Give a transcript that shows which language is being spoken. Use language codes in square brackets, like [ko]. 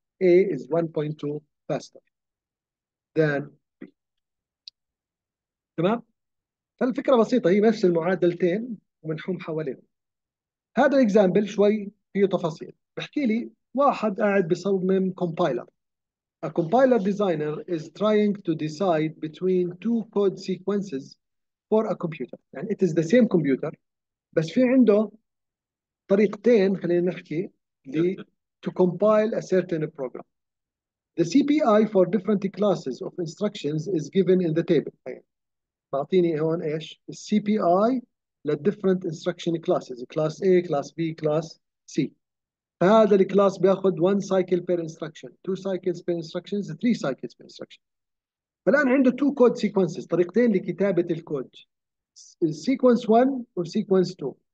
[en] A is 1.2 faster than B. [ar] تمام؟ فالفكره بسيطه، هي نفس المعادلتين ومنحوم حواليهم. هذا الاكزامبل شوي فيه تفاصيل، بحكي لي واحد قاعد بصمم كومبايلر. [en] A compiler designer is trying to decide between two code sequences for a computer. يعني it is the same computer [ar] بس في عنده طريقتين، خلينا نحكي [en] to compile a certain program. The CPI for different classes of instructions is given in the table. [ar] بعطيني هون ايش؟ ال CPI للديفرنت انستراكشن كلاسز، كلاس A، كلاس B، كلاس C. فهذا الكلاس بياخذ 1 سايكل بير انستراكشن، 2 سايكلز بير انستراكشن، 3 سايكلز بير انستراكشن. فالان عنده 2 كود سيكونسز، طريقتين لكتابه الكود. السيكونس 1 والسيكونس 2.